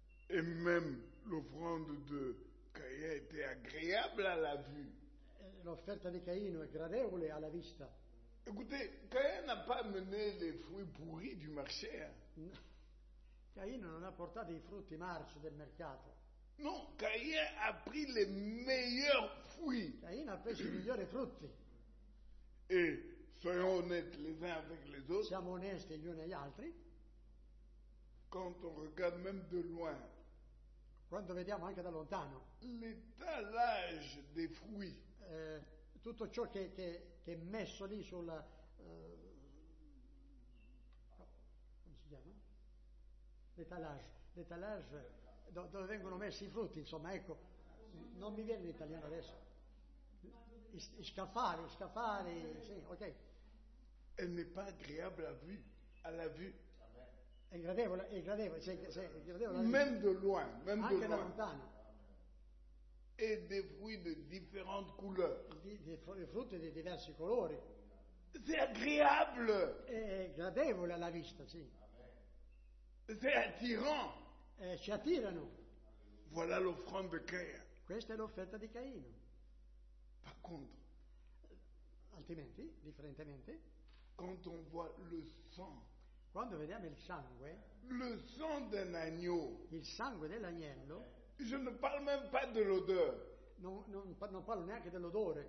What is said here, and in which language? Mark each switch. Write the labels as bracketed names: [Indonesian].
[French] Et même l'offrande de Caïn était agréable à la vue. [Italian] L'offerta di Caino è gradevole alla vista. [French] Écoutez, Caïn n'a pas amené les fruits pourris du marché. [Italian] Caïno non ha portato i frutti marci del mercato. [French] Non, Caïn a pris les meilleurs fruits. [Italian] Caïn ha preso i migliori frutti. [French] Et soyons honnêtes les uns avec les autres. [Italian] Siamo onesti gli uni agli altri. [French] Quand on regarde même de loin. [Italian] Quando vediamo anche da lontano. [French] L'étalage des fruits. [Italian] Tutto ciò che è messo lì sulla. Come si chiama? L'étalage. Dove vengono messi i frutti, insomma, ecco. Non mi viene l'italiano adesso. I scaffali, sì, ok. [French] E n'est pas agréable à vue. À la vue. [Italian] È gradevole, cioè, [French] même de loin, même [Italian] anche [French] de [Italian] da lontano. [French] E des fruits de différentes couleurs. [Italian] Dei frutti di diversi colori. [French] C'est agréable. [Italian] È gradevole alla vista, sì. [French] C'est attirant. [Italian] Ci attirano. [French] Voilà l'offrande de Caïn. [Italian] Questa è l'offerta di Caino. [French] Par contre. [Italian] Altrimenti, differentemente. [French] Quand on voit le sang. [Italian] Quando vediamo il sangue, [French] le sang d'un agneau, [Italian] il sangue dell'agnello, [French] je ne parle même pas de l'odeur, [Italian] non parlo neanche dell'odore,